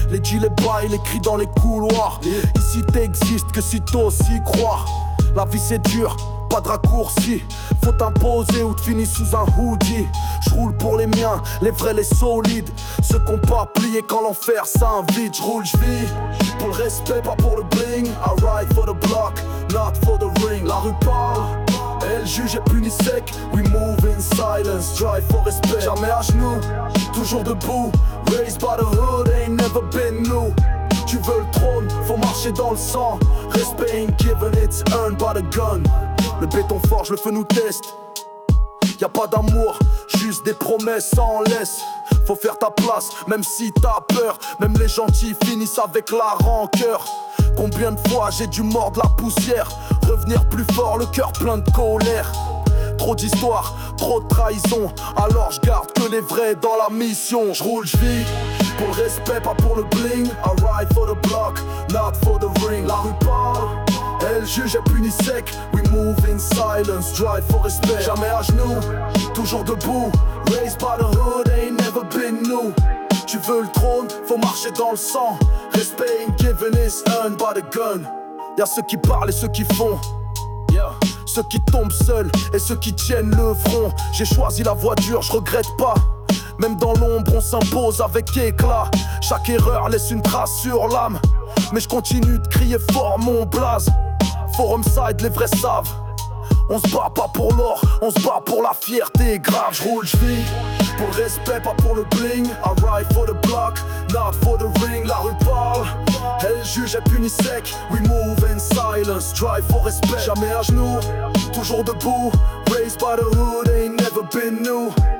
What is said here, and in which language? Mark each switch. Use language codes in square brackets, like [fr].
[fr] Les gilets bas et les cris dans les couloirs. Yeah. Ici t'existes que si t'oses y croire. La vie c'est dur, pas de raccourci. Faut t'imposer ou t'finis sous un hoodie. J'roule pour les miens, les vrais, les solides. Ceux qu'on peut plier quand l'enfer s'invite. J'roule, j'vis pour le respect, pas pour le bling. [en] I ride for the block, not for the ring. [fr] La rue parle. Elle juge et punit sec. [en] We move in silence, drive for respect. [fr] Jamais à genoux, toujours debout. [en] Raised by the hood, ain't never been new. [fr] Tu veux le trône, faut marcher dans le sang. [en] Respect ain't given, it's earned by the gun. [fr] Le béton forge, le feu nous teste. Y'a pas d'amour, juste des promesses en laisse. Faut faire ta place, même si t'as peur. Même les gentils finissent avec la rancœur. Combien de fois j'ai dû mordre la poussière. Revenir plus fort, le cœur plein de colère. Trop d'histoires, trop de trahison. Alors je garde que les vrais dans la mission. Je roule, je vis pour le respect, pas pour le bling. [en] I ride for the block, not for the ring. [fr] La rue parle, elle juge et punit sec. [en] We move in silence, drive for respect. [fr] Jamais à genoux, toujours debout. [en] Raised by the hood, ain't never been new. [fr] Tu veux le trône, faut marcher dans le sang. [en] Respect ain't given, it's earned by the gun. [fr] Y'a ceux qui parlent et ceux qui font. Yeah. Ceux qui tombent seuls et ceux qui tiennent le front. J'ai choisi la voie dure, je regrette pas. Même dans l'ombre, on s'impose avec éclat. Chaque erreur laisse une trace sur l'âme. Mais je continue de crier fort mon blaze. Forum side, les vrais savent. On se bat pas pour l'or, on se bat pour la fierté grave. J'roule, j'vis pour respect, pas pour le bling. [en] I ride for the block, not for the ring. [fr] La rue parle, elle juge et punit sec. [en] We move in silence, drive for respect. [fr] Jamais à genoux, toujours debout. [en] Raised by the hood, ain't never been new.